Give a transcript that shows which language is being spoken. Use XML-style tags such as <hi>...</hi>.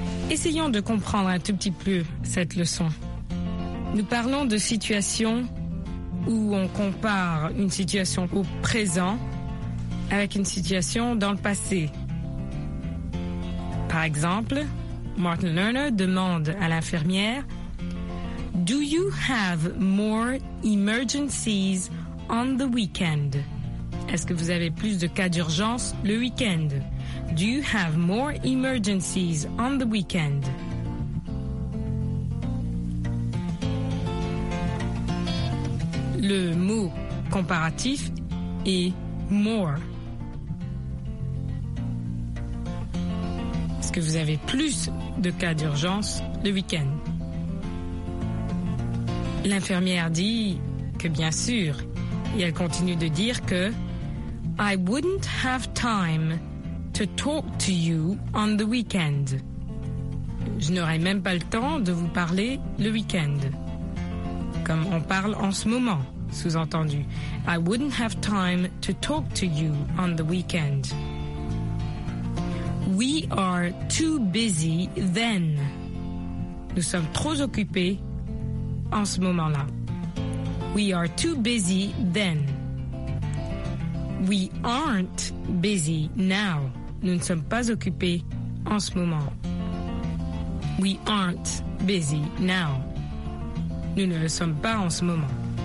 <fr>Essayons de comprendre un tout petit peu cette leçon. Nous parlons de situations où on compare une situation au présent avec une situation dans le passé. Par exemple, Martin Lerner demande à l'infirmière, «</fr> <en>Do you have more emergencies on the weekend?</en> <fr>» Est-ce que vous avez plus de cas d'urgence le week-end?</fr> <en>Do you have more emergencies on the weekend?</en> <fr>Le mot comparatif est more. Est-ce que vous avez plus de cas d'urgence le week-end? L'infirmière dit que bien sûr, et elle continue de dire que</fr> <en>I wouldn't have time to talk to you on the weekend.</en> <fr>Je n'aurais même pas le temps de vous parler le week-end. Comme on parle en ce moment, sous-entendu.</fr> <en>I wouldn't have time to talk to you on the weekend. We are too busy then.</en> <fr>Nous sommes trop occupés en ce moment-là.</fr> <en>We are too busy then. We aren't busy now.</en> <fr>Nous ne sommes pas occupés en ce moment.</fr> <en>We aren't busy now.</en> <fr>Nous ne le sommes pas en ce moment.</fr>